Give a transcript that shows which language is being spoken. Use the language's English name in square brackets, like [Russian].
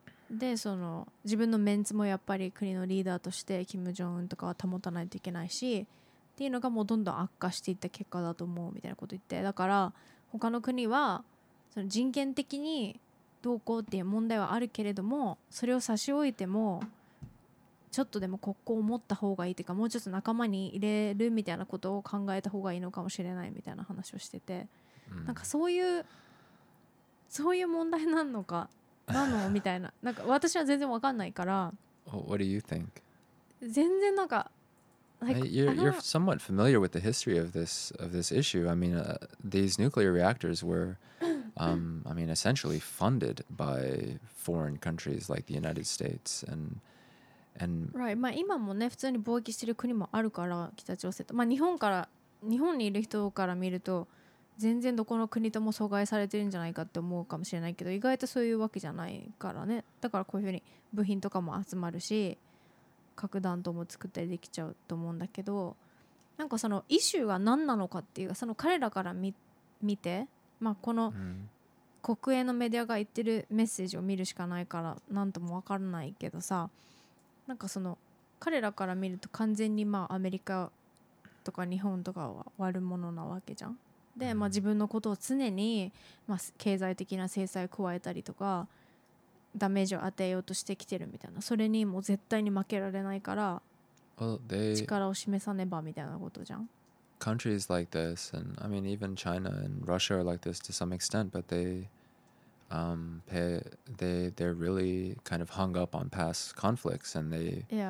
[Japanese] でその自分のメンツもやっぱり国のリーダーとして金正恩とかは保たないといけないしっていうのが、もうどんどん悪化していった結果だと思うみたいなこと言って、だから他の国はその人権的にどうこうっていう問題はあるけれども、それを差し置いてもちょっとでも国交を持った方がいいっていうか、もうちょっと仲間に入れるみたいなことを考えた方がいいのかもしれないみたいな話をしてて、なんかそういうそういう問題なのかなのみたいな、なんか私は全然わかんないから。 [English] What do you think? [Japanese] 全然なんか、 [English] You're somewhat familiar with the history of this issue. I mean, these nuclear reactors were, essentially funded by foreign countries like the United States and right. [Japanese] まあ今もね、普通に貿易してる国もあるから、北朝鮮と。まあ日本から日本にいる人から見ると、全然どこの国とも阻害されてるんじゃないかって思うかもしれないけど、意外とそういうわけじゃないからね。だからこういうふうに部品とかも集まるし。核弾頭も作ったりできちゃうと思うんだけど、なんかそのイシューが何なのかっていうか、その彼らから見て、まあこの国営のメディアが言ってるメッセージを見るしかないから何とも分からないけどさ、なんかその彼らから見ると完全にまあアメリカとか日本とかは悪者なわけじゃん。で、まあ自分のことを常にまあ経済的な制裁を加えたりとかダメージを与えようとしてきてるみたいな、それにもう絶対に負けられないから力を示さねばみたいなことじゃん。 [English] Well, countries like this, and I mean even China and Russia are like this to some extent, but they're really kind of hung up on past conflicts, and they